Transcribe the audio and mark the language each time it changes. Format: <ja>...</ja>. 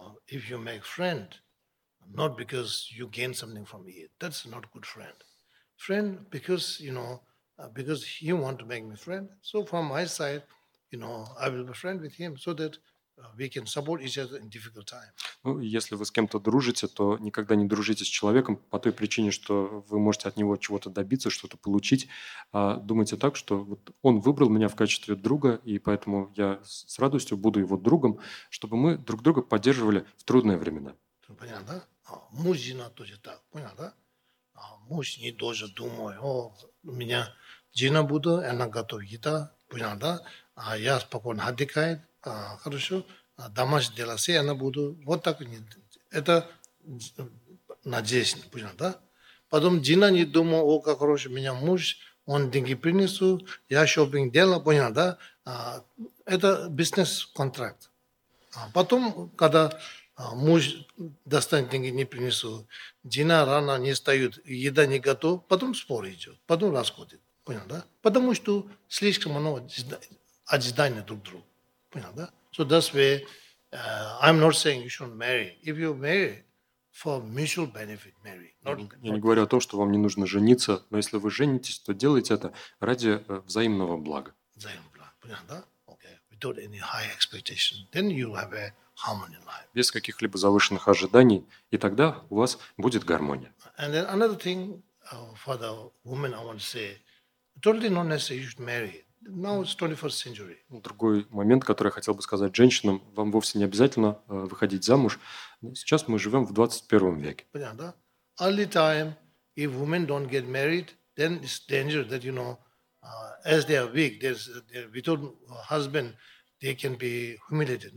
<en>If you make friend, not because you gain something from it, that's not good friend. Friend because you know, because he want to make me friend. So from my side, you know, I will be friend with him so that. We can support each other in difficult time.</en> <ru>Ну, если вы с кем-то дружите, то никогда не дружите с человеком по той причине, что вы можете от него чего-то добиться, что-то получить. А думайте так, что вот он выбрал меня в качестве друга, и поэтому я с радостью буду его другом, чтобы мы друг друга поддерживали в трудные времена. Понятно, да? Мужчина тоже так, понятно, да? Мужчина тоже думает, о, у меня жена будет, она готовит еда, понятно, да? А я спокойно отдыхаю. Хорошо, домашние дела все я буду, вот так, это надеюсь, понятно, да? Потом жена не думала, о, как хороший у меня муж, он деньги принесу, я шопинг делаю, понятно, да? Это бизнес-контракт. А потом, когда муж достанет деньги, не принесу. Дина рано не встает, еда не готова. Потом спор идет, потом расходит. Понял, да? Потому что слишком много отзидания друг другу. Понял, да?</ru> <en>So that's where I'm not saying you shouldn't marry. If you marry, for mutual benefit, marry.</en> <ru>Я не говорю о том, что вам не нужно жениться, но если вы женитесь, то делайте это ради взаимного блага. Взаимного блага. Понял, да? Okay.</ru> <en>Without any high expectation, then you have a harmony in life.</en> <ru>Без каких-либо завышенных ожиданий, и тогда у вас будет гармония.</ru> <en>And then another thing for the woman, I want to say, totally not necessary you should marry. Now it's 21st century.</en> <ru>Другой момент, который я хотел бы сказать женщинам, вам вовсе не обязательно выходить замуж. Сейчас мы живем в 21 веке. Понятно, да?</ru> <en>Early time, if women don't get married, then it's dangerous that, you know, as they are weak, they're without husband, they can be humiliated.</en>